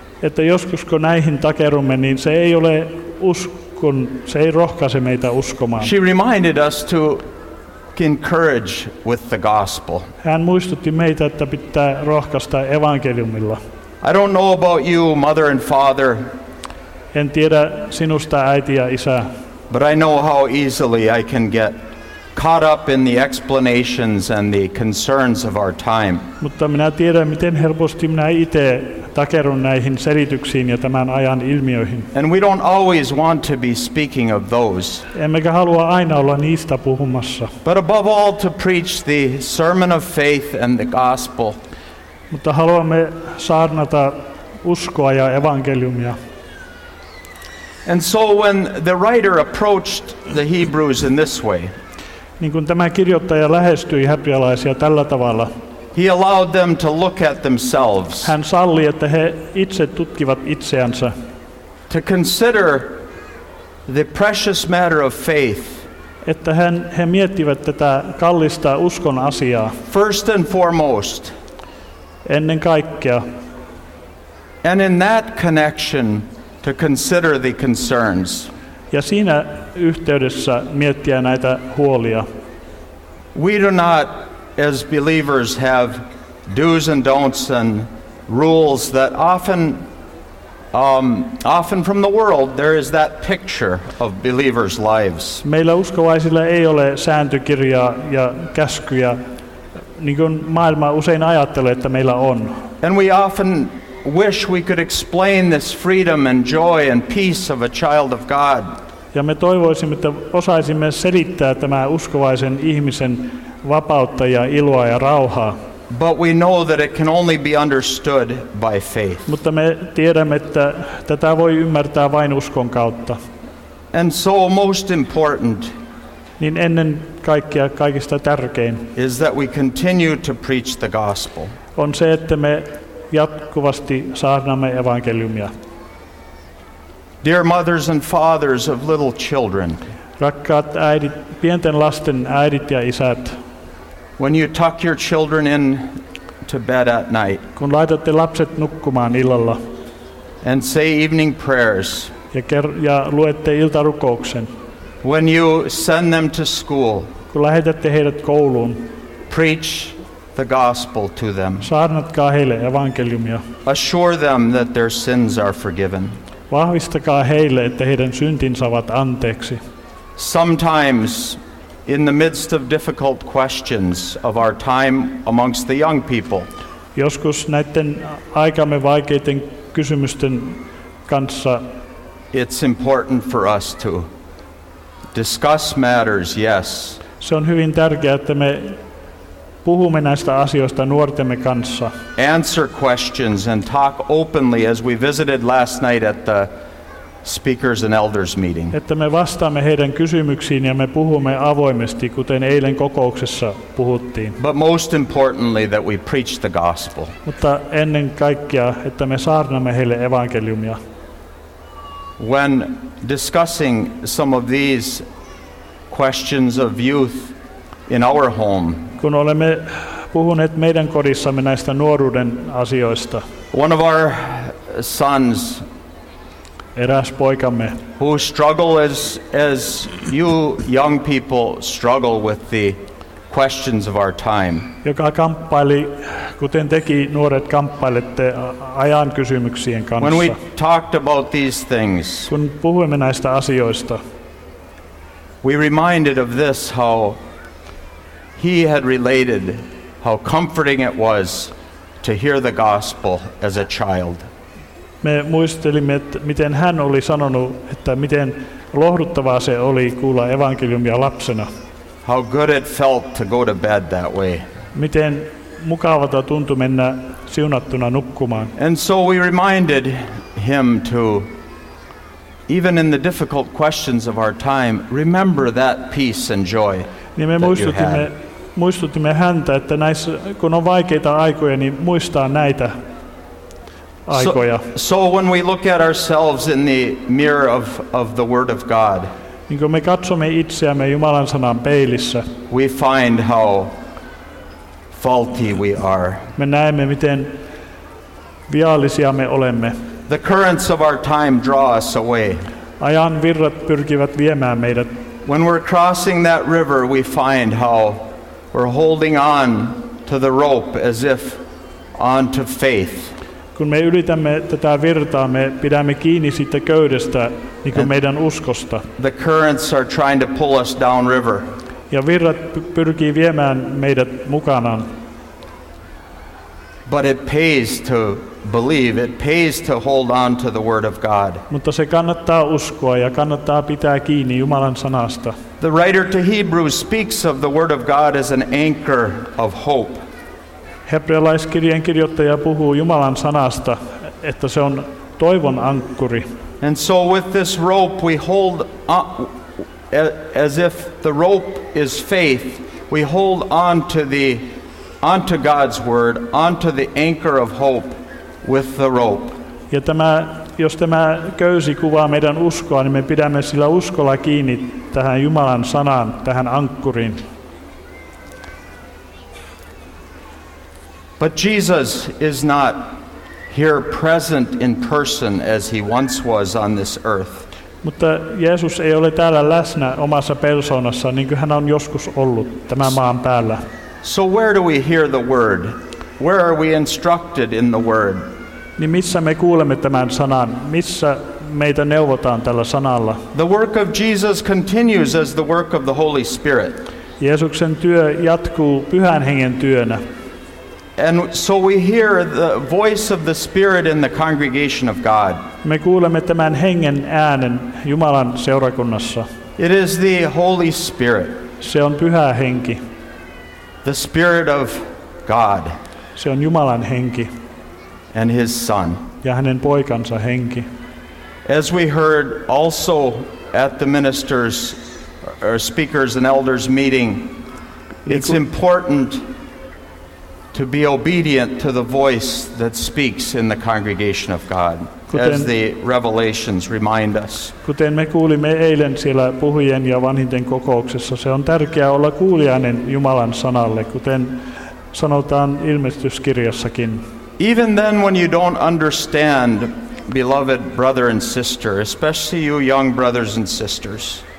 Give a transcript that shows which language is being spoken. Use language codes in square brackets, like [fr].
[fi] Että joskus kun näihin takerumme, niin se ei ole uskon, se ei rohkaise meitä uskomaan. [en] She reminded us to encourage with the gospel. [fi] Hän muistutti meitä, että pitää rohkaista evankeliumilla. [en] I don't know about you, mother and father. [fi] En tiedä sinusta äiti ja isä. [en] But I know how easily I can get caught up in the explanations and the concerns of our time. [fi] Mutta minä tiedän, miten helposti minä itse takerun näihin selityksiin ja tämän ajan ilmiöihin. [en] And we don't always want to be speaking of those. [fi] Emmekä halua aina olla niistä puhumassa. [en] But above all to preach the sermon of faith and the gospel. [fi] Mutta haluamme saarnata uskoa ja evankeliumia. [en] And so when the writer approached the Hebrews in this way, [fi] niin kuin tämä kirjoittaja lähestyi hebrealaisia tällä tavalla. [en] He allowed them to look at themselves. [fi] Hän salli, että he itse tutkivat itseänsä. [en] To consider the precious matter of faith. [fi] Että he miettivät tätä kallista uskon asiaa. [en] First and foremost. [fi] Ennen kaikkea. [en] And in that connection to consider the concerns. [fi] Ja siinä yhteydessä miettiä näitä huolia. [en] We do not, as believers, have do's and don'ts and rules that often, often from the world, there is that picture of believers' lives. [fi] Meillä uskovaisilla ei ole sääntökirjaa ja käskyjä, niin kuin maailma usein ajattelee, että meillä on. [en] And we often wish we could explain this freedom and joy and peace of a child of God. [fi] Ja me toivoisimme, että osaisimme selittää tämän uskovaisen ihmisen vapautta ja iloa ja rauhaa. [en] But we know that it can only be understood by faith. [fi] Mutta me tiedämme, että tätä voi ymmärtää vain uskon kautta. [en] And so most important. [fi] Niin ennen kaikkea kaikista tärkein. [en] Is that we continue to preach the gospel. [fi] On se, että me jatkuvasti saarnamme evankeliumia. [en] Dear mothers and fathers of little children. [fi] Rakkaat äidit, pienten lasten äidit ja isät. [en] When you tuck your children in to bed at night. [fi] Kun laitatte lapset nukkumaan illalla. [en] And say evening prayers. [fi] Ja luette iltarukouksen. [en] When you send them to school. [fi] Kun lähetätte heidät kouluun. [en] Preach the gospel to them. [fi] Saarnatkaa heille evankeliumia. [en] Assure them that their sins are forgiven. [fi] Vahvistakaa heille, että heidän syntinsä ovat anteeksi. [en] Sometimes in the midst of difficult questions of our time amongst the young people. [fi] Joskus näiden aikamme vaikeiden kysymysten kanssa. [en] It's important for us to discuss matters, yes. [fi] Se on hyvin tärkeää, että me puhumme näistä asioista nuortemme kanssa. [en] Answer questions and talk openly as we visited last night at the speakers and elders meeting. [fi] Että me vastaamme heidän kysymyksiin ja me puhumme avoimesti, kuten eilen kokouksessa puhuttiin. [en] But most importantly that we preach the gospel. [fi] Mutta ennen kaikkea, että me saarnamme heille evankeliumia. [en] When discussing some of these questions of youth in our home, [fi] kun olemme puhuneet meidän kodissamme näistä nuoruuden asioista. [en] One of our sons, [fi] eräs poikamme, [en] who struggle as you young people struggle with the questions of our time. [fi] Joka kamppaili, kuten teki nuoret kamppailette ajan kysymyksien kanssa. [en] When we talked about these things, [fi] kun puhuimme näistä asioista, [en] we reminded of this, how he had related how comforting it was to hear the gospel as a child. [fi] Me muistelimme, miten hän oli sanonut, että miten lohduttavaa se oli kuulla evankeliumia lapsena. [en] How good it felt to go to bed that way. [fi] Miten mukavalta tuntui mennä siunattuna nukkumaan. [en] And so we reminded him to, even in the difficult questions of our time, remember that peace and joy. [fi] Niin me muistutimme häntä, että näissä, kun on vaikeita aikoja, niin muistaa näitä aikoja. [en] So when we look at ourselves in the mirror of the Word of God, [fi] niin kun me katsomme itseämme Jumalan sanan peilissä, [en] we find how faulty we are. [fi] Me näemme, miten viallisia me olemme. [en] The currents of our time draw us away. [fi] Ajan virrat pyrkivät viemään meidät. [en] When we're crossing that river, we find how we're holding on to the rope as if onto faith. [fi] Kun me ylitämme tätä virtaa, me pidämme kiinni siitä köydestä, niin kuin meidän uskosta. [en] The currents are trying to pull us down river. [fi] Ja virrat pyrkii viemään meidät mukanaan. [en] But it pays to believe, it pays to hold on to the Word of God. [fi] Mutta se kannattaa uskoa ja kannattaa pitää kiinni Jumalan sanasta. [en] The writer to Hebrews speaks of the Word of God as an anchor of hope. [fi] Hebrealaiskirjeen kirjoittaja puhuu Jumalan sanasta, että se on toivon ankkuri. [en] And so with this rope we hold on, as if the rope is faith, we hold on to the onto God's word, onto the anchor of hope with the rope. [fi] Ja tämä, jos tämä köysi kuvaa meidän uskoa, niin me pidämme sillä uskolla kiinni tähän Jumalan sanaan, tähän ankkuriin. [en] But Jesus is not here present in person as he once was on this earth. [fi] Mutta Jeesus ei ole täällä läsnä omassa persoonassa, niin kuin hän on joskus ollut tämän maan päällä. [en] So where do we hear the word? Where are we instructed in the word? [fi] Niin missä me kuulemme tämän sanan? Missä meitä neuvotaan tällä sanalla? [en] The work of Jesus continues as the work of the Holy Spirit. [fi] Jeesuksen työ jatkuu Pyhän Hengen työnä. [en] And so we hear the voice of the Spirit in the congregation of God. [fi] Me kuulemme tämän Hengen äänen Jumalan seurakunnassa. [en] It is the Holy Spirit. [fi] Se on Pyhä Henki. [en] The Spirit of God. [fi] Se on Jumalan Henki. [en] And his Son. [fi] Ja hänen poikansa Henki. [en] As we heard also at the ministers or speakers and elders meeting, it's important to be obedient to the voice that speaks in the congregation of God, [fi] kuten, [en] as the revelations remind us. [fi] Kuten me kuulimme eilen siellä puhujien ja vanhinten kokouksessa, se on tärkeää olla kuulijainen Jumalan sanalle, kuten sanotaan ilmestyskirjassakin. [en] Even then, when you don't understand, beloved brother and sister, especially you young brothers and sisters.